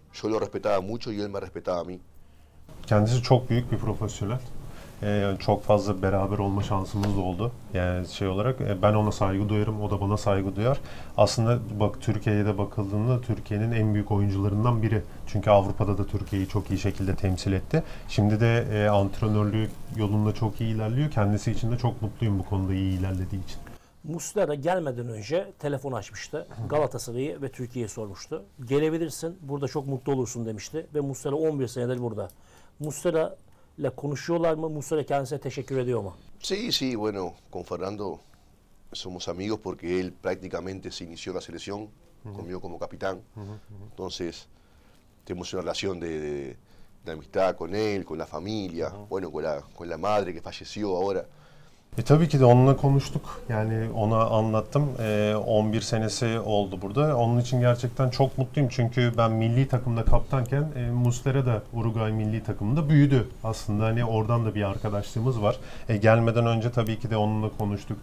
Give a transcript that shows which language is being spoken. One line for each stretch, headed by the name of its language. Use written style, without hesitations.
Spanish: Yo lo respetaba mucho y él me respetaba a mí.
Turkish: Kendisi çok büyük bir profesyonel. Çok fazla beraber olma şansımız da oldu. Yani şey olarak ben ona saygı duyarım, o da bana saygı duyar. Aslında bak Türkiye'ye de bakıldığında Türkiye'nin en büyük oyuncularından biri. Çünkü Avrupa'da da Türkiye'yi çok iyi şekilde temsil etti. Şimdi de antrenörlüğü yolunda çok iyi ilerliyor. Kendisi için de çok mutluyum bu konuda iyi ilerlediği için. Muslera da gelmeden önce telefon açmıştı. Galatasaray'ı ve Türkiye'yi sormuştu. Gelebilirsin, burada çok mutlu olursun demişti. Ve Muslera 11 senedir burada. Muslera ile konuşuyorlar mı? Muslera kendisine teşekkür ediyor mu?
Spanish: Sí, sí, bueno, con Fernando somos amigos porque él prácticamente se inició la selección conmigo como capitán. Entonces, tenemos una relación de amistad con él, con la familia, bueno, con la madre que falleció ahora.
Turkish: Tabii ki de onunla konuştuk. Yani ona anlattım. 11 senesi oldu burada. Onun için gerçekten çok mutluyum. Çünkü ben milli takımda kaptanken Muslera da Uruguay milli takımında büyüdü. Aslında hani oradan da bir arkadaşlığımız var. Gelmeden önce tabii ki de onunla konuştuk.